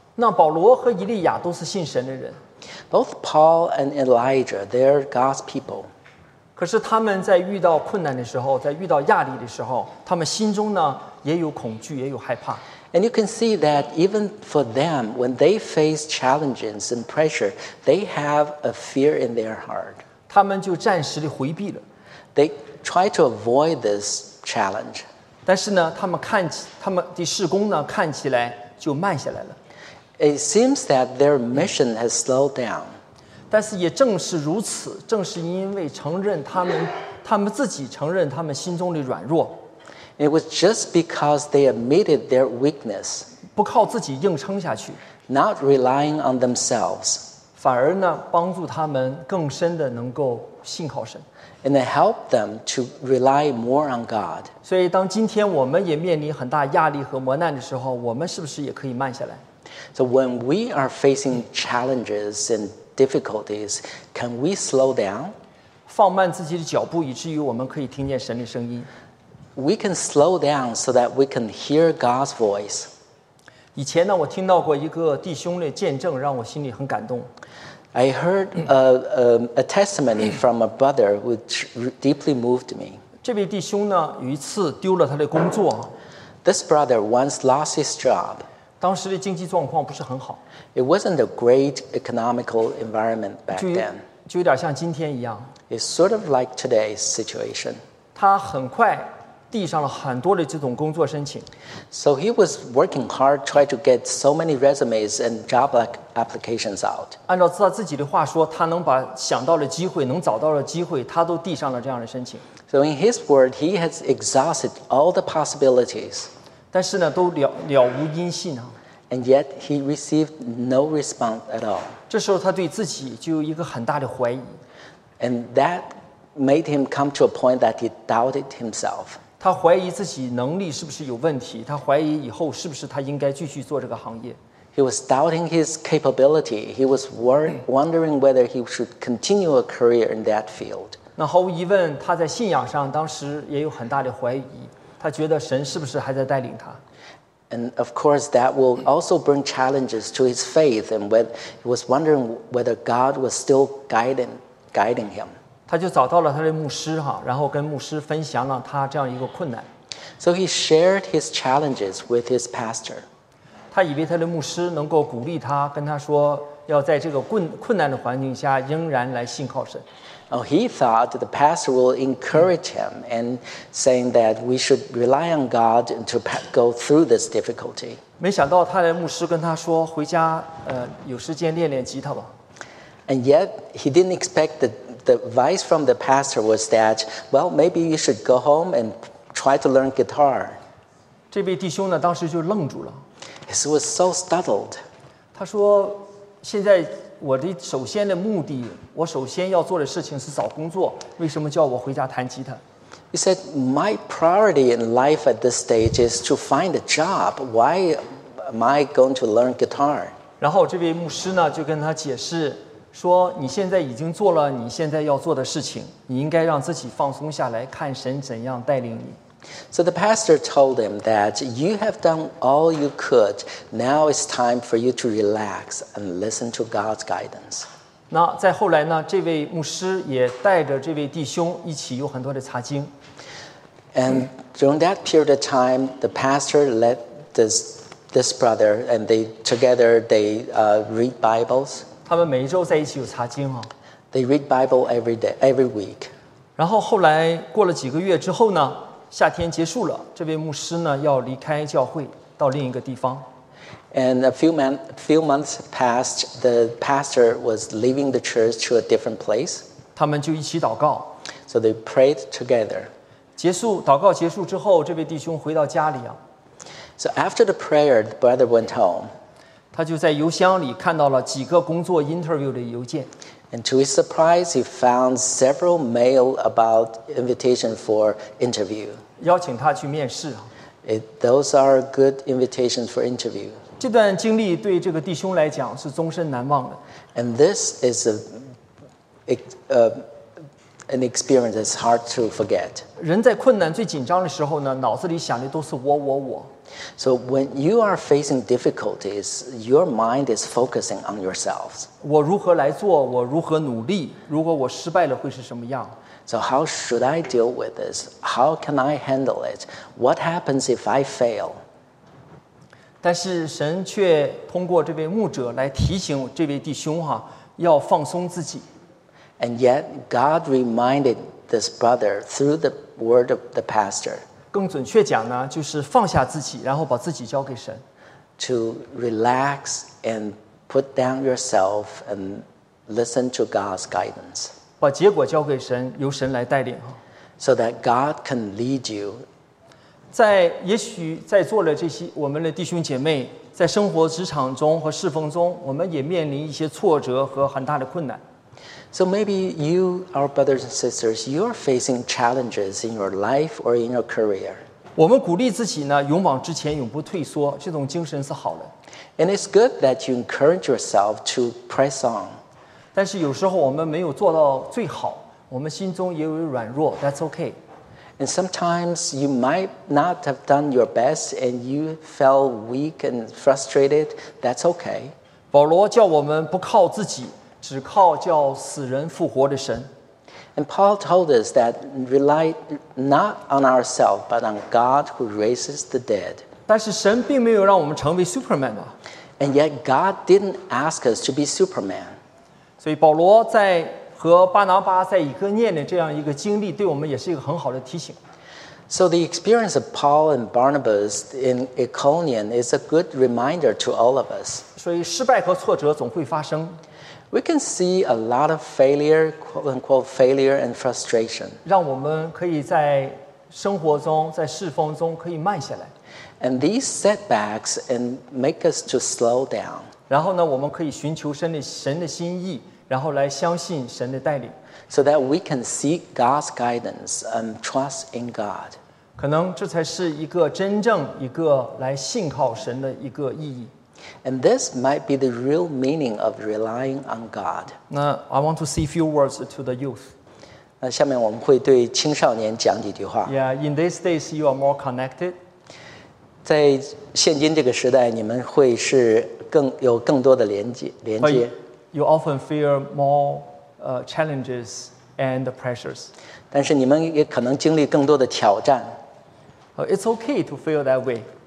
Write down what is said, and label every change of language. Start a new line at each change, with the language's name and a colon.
Chinese: 那保罗和以利亚都是信神的人。
English: Both Paul and Elijah, they're God's people.
Chinese: 可是他们在遇到困难的时候，在遇到压力的时候，他们心中呢也有恐惧，也有害怕。
English: And you can see that even for them, when they face challenges and pressure, they have a fear in their heart.
Chinese: 他们就暂时的回避了。
English: They try to avoid this challenge.
Chinese: 但是呢，他们的事工呢，看起来就慢下来了。
English: It seems that their mission has slowed down.
Chinese: 但是也正是如此，正是因为承认他们自己承认他们心中的软弱。
English: It was just because they admitted their weakness.
Chinese: 不靠自己硬撑下去。
English: Not relying on themselves.
Chinese: 反而呢，帮助他们更深的能够信靠神。
English: And it helped them to rely more on God.
Chinese: 所以当今天我们也面临很大压力和磨难的时候，我们是不是也可以慢下来？
English: So when we are facing challenges and difficulties, can we slow down?
Chinese: 放慢自己的脚步，以至于我们可以听见神的声音。
English: We can slow down so that we can hear God's voice.
Chinese: 以前呢，我听到过一个弟兄的见证，让我心里很感动。
English: I heard a testimony from a brother which deeply moved me.
Chinese: 这位弟兄呢，有一次丢了他的工作。
English: This brother once lost his job.
Chinese: 当时的经济状况不是很好。
English: It wasn't a great economical environment back then.
Chinese: 就有点像今天一样。
English: It's sort of like today's situation.
Chinese: 他很快递上了很多的这种工作申请。
English: So he was working hard, trying to get so many resumes and job applications out.
Chinese: 按照他自己的话说，他能把想到的机会，能找到的机会，他都递上了这样的申请。
English: So in his word, he has exhausted all the possibilities.
Chinese: 但是呢，都了无音信啊。
English: And yet he received no response at all.
Chinese: 这时候他对自己就有一个很大的怀疑。
English: And that made him come to a point that he doubted himself.
Chinese: 他怀疑自己能力是不是有问题，他怀疑以后是不是他应该继续做这个行业。
English: He was doubting his capability. He was wondering whether he should continue a career in that field.
Chinese: 那毫无疑问，他在信仰上当时也有很大的怀疑，他觉得神是不是还在带领他。
English: And of course, that will also bring challenges to his faith, and he was wondering whether God was still guiding him.
Chinese: 他就找到了他的牧师，然后跟牧师分享了他这样一个困难。
English: So he shared his challenges with his pastor.
Chinese: 他以为他的牧师能够鼓励他，跟他说要在这个困难的环境下仍然来信靠神。
English: Oh, he thought that the pastor will encourage him and saying that we should rely on God to go through this difficulty.
Chinese: 没想到他的牧师跟他说回家，有时间练练吉他吧。
English: And yet he didn't expect the advice from the pastor was that, well, maybe you should go home and try to learn guitar.
Chinese: 这位弟兄呢，当时就愣住了。
English: He was so startled.
Chinese: 他说，现在我的首先的目的，我首先要做的事情是找工作，为什么叫我回家弹吉他？
English: He said, my priority in life at this stage is to find a job. Why am I going to learn guitar?
Chinese: 然后这位牧师呢，就跟他解释说你现在已经做了你现在要做的事情，你应该让自己放松下来，看神怎样带领你。
English: So the pastor told him that you have done all you could. Now it's time for you to relax and listen to God's guidance.
Chinese: 那在后来呢，这位牧师也带着这位弟兄一起有很多的查经。
English: And during that period of time, the pastor led this brother, and they read Bibles.
Chinese: 他们每一周在一起有查经啊。
English: They read Bible every week.
Chinese: 然后后来过了几个月之后呢？夏天结束了，这位牧师呢要离开教会，到另一个地方。
English: And a few months passed, the pastor was leaving the church to a different place.
Chinese: 他们就一起祷告。
English: So they prayed together.
Chinese: 结束祷告结束之后，这位弟兄回到家里啊。
English: So after the prayer, the brother went home.
Chinese: 他就在邮箱里看到了几个工作 interview 的邮件。
English: And to his surprise, he found several mail about invitation for interview.
Chinese: 邀请他去面试。
English: Those are good invitations for interview.
Chinese: 这段经历对这个弟兄来讲是终身难忘的。
English: And this is an experience that's hard to forget.
Chinese: 人在困难最紧张的时候呢，脑子里想的都是我我我。
English: So when you are facing difficulties, your mind is focusing on yourself.
Chinese: 我如何来做？我如何努力？如果我失败了，会是什么样？
English: So how should I deal with this? How can I handle it? What happens if I fail?
Chinese: 但是神却通过这位牧者来提醒这位弟兄哈，要放松自己。
English: And yet God reminded this brother through the word of the pastor.
Chinese: 更准确讲呢，就是放下自己，然后把自己交给神。
English: To relax and put down yourself and listen to God's guidance.
Chinese: 把结果交给神，由神来带领。
English: So that God can lead you.
Chinese: 在也许在座的这些我们的弟兄姐妹，在生活、职场中和侍奉中，我们也面临一些挫折和很大的困难。
English: So maybe you, our brothers and sisters, you are facing challenges in your life or in your career.
Chinese: 我们鼓励自己呢，勇往直前，永不退缩，这种精神是好的。
English: And it's good that you encourage yourself to press on.
Chinese: 但是有时候我们没有做到最好，我们心中也有软弱，
English: that's okay. And sometimes you might not have done your best and you felt weak and frustrated, that's okay.
Chinese: 保罗叫我们不靠自己，只靠叫死人复活的神。
English: And Paul told us that rely not on ourselves but on God who raises the dead.
Chinese: 但是神并没有让我们成为 Superman 吧。
English: And yet God didn't ask us to be Superman.
Chinese: 所以保罗在和巴拿巴在以哥念的这样一个经历对我们也是一个很好的提醒。
English: So the experience of Paul and Barnabas in Iconium is a good reminder to all of us.
Chinese: 所以失败和挫折总会发生。
English: We can see a lot of failure, quote unquote failure and frustration.
Chinese: 让我们可以在生活中，在侍奉中可以慢下来。
English: And these setbacks and make us to slow down.
Chinese: 然后呢，我们可以寻求神的心意，然后来相信神的带领。
English: So that we can seek God's guidance and trust in God.
Chinese: 可能这才是一个真正一个来信靠神的一个意义。
English: And this might be the real meaning of relying on God. Now, I want to say a few words to the youth.
Chinese: 那下面我们会对青少年讲几句话。
English: Yeah, in these days you are more connected.
Chinese: 在现今这个时代，你们会是更有更多的连接。
English: You often feel more challenges and pressures.
Chinese: 但是你们也可能经历更多的挑战。
English: It's okay to feel that way.